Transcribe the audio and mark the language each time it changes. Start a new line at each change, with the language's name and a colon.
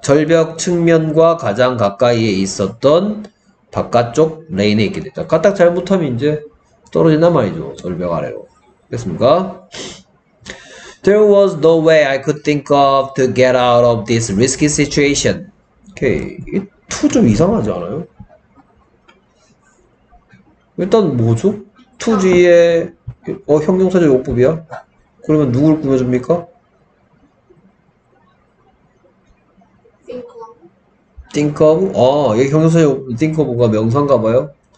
Korean: 절벽 측면과 가장 가까이에 있었던 바깥쪽 lane에 있게 됐다. 까딱 잘못하면 이제 떨어진단 말이죠. 절벽 아래로. 됐습니까?
English: There was no way I could think of to get out of this risky situation.
Korean: 오케이. 이투좀 이상하지 않아요? 일단 뭐죠? 투 뒤에 형용사적 용법이야? 그러면 누굴 꾸며줍니까? Think of? 아, 이게 형용사적 think of가 명사인가 봐요?